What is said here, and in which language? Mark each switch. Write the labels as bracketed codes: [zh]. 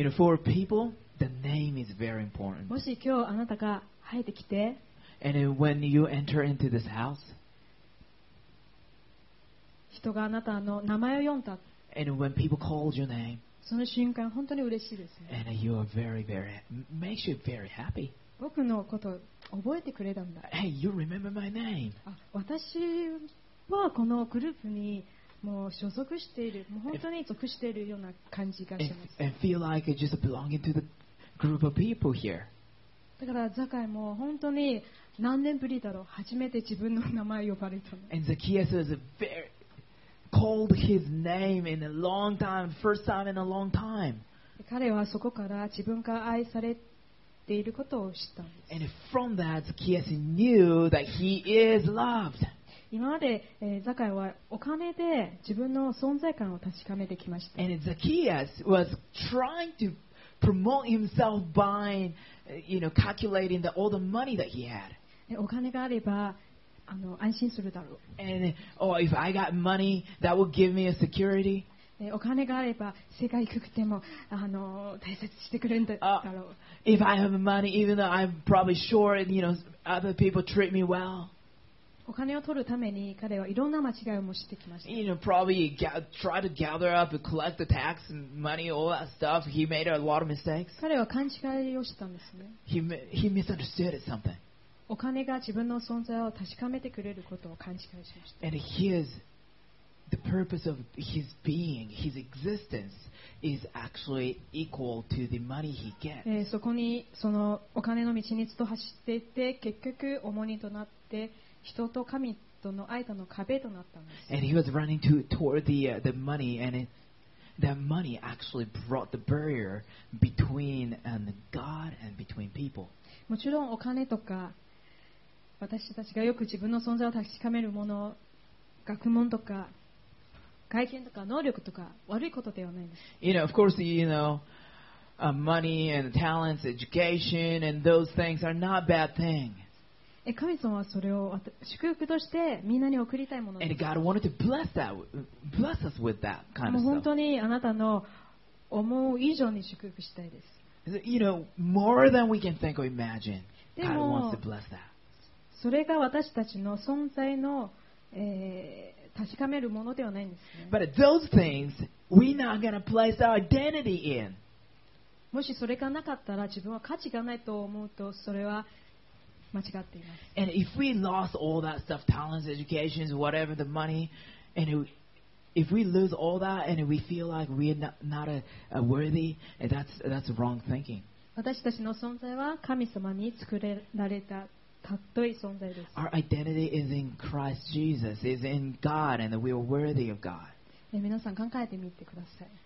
[en] You know, for people, the name is very important. [ja] もし今日あなたが入ってきて、 [en] And when you enter into this house, [ja] 人があなたの名前を呼んだ、 [en] And when people called your name, [ja] その瞬間本当に嬉しいですね。 [en] And you are very, very, makes you very happy. [ja] 僕のこと覚えてくれたんだ。 [en] Hey, you remember my name. [ja] 私はこのグループにもう所属している、もう本当に属しているような感じがします。 [en] And feel like just belonging to the group of people here. [ja] だからザカイも本当に何年ぶりだろう、初めて自分の名前呼ばれたの。 [en] And Zacchaeus was very called his name in a long time, first time in a long time. [ja] 彼はそこから自分が愛されていることを知ったんです。 [en] And from that, Zacchaeus knew that he is loved. [ja] 今まで、ザカイはお金で自分の存在感を確かめてきました。 [en] And Zacchaeus was trying to promote himself by, you know, calculating the all the money that he had. [ja] お金があれば、安心するだろう。 [en] And oh, if I got money, that would give me a security. [ja] お金があれば世界低くても大切してくれるんだろう。 [en] If I have money, even though I'm probably sure, you know, other people treat me well. [ja] お金を取るために彼はいろんな間違いもしてきました。 [en] You know, probably try to gather up, collect the tax money, all that stuff. He made a lot of mistakes. [ja] 彼は勘違いをしたんですね。 [en] He misunderstood something. [ja] お金が自分の存在を確かめてくれることを勘違いしました。 [en] And he is. The purpose of his being, his existence, is actually equal to the money he gets. [ja] そこにそのお金の道にずっと走っていて、結局重荷となって人と神との間の壁となったんです。 [en] And he was running toward the money, and that money actually brought the barrier between God and between people. [ja] もちろんお金とか私たちがよく自分の存在を確かめるもの、学問とか。外見とか能力とか悪いことではないんです。 [en] You know, of course, you know, money and talents, education and those things are not bad things. [ja] 神様はそれを祝福としてみんなに送りたいものです。 [en] And God wanted to bless us with that kind of stuff. [ja] もう本当にあなたの思う以上に祝福したいです。 [en] You know, more than we can think or imagine, God wants to bless that. [ja] それが私たちの存在の、確かめるものではないんですね。 [en] But those things we're not gonna place our identity in. [ja] もしそれがなかったら自分は価値がないと思うとそれは間違っています。 [en] And if we lost all that stuff, talents, education, whatever the money, and if we lose all that and we feel like we're not worthy, that's wrong thinking. [ja] 私たちの存在は神様に作られた。 [en] Our identity is in Christ Jesus, is in God, and we are worthy of God. [ja] 皆さん考えてみてください。